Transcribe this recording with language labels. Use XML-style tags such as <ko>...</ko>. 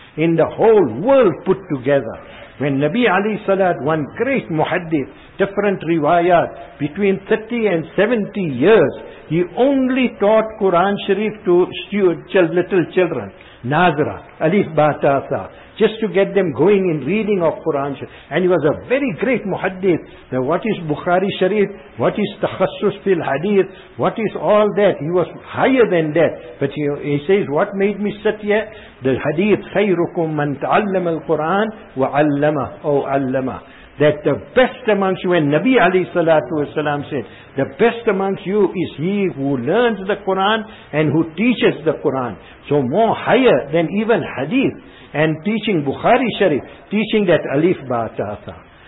<en>In the whole world put together, when Nabi Ali Salat, one great muhaddith, different riwayat, between 30 and 70 years, he only taught Quran Sharif to little children, Nazra, Alif Batasa, just to get them going in reading of Quran Sharif. And he was a very great muhaddith. Now what is Bukhari Sharif? What is Takhassus fil Hadith? What is all that? He was higher than that. But he says, what made me sit here? The Hadith,</en> <ar>خَيْرُكُمْ مَنْ تَعَلَّمَ الْقُرْآنَ وَعَلَّمَهُ أو عَلَّمَهُ.</ar> <en>That the best amongst you, when Nabi alayhi salatu wasalam said, the best amongst you is he who learns the Quran and who teaches the Quran. So more higher than even Hadith. And teaching Bukhari Sharif, teaching that Alif Ba'ata'ata.</en>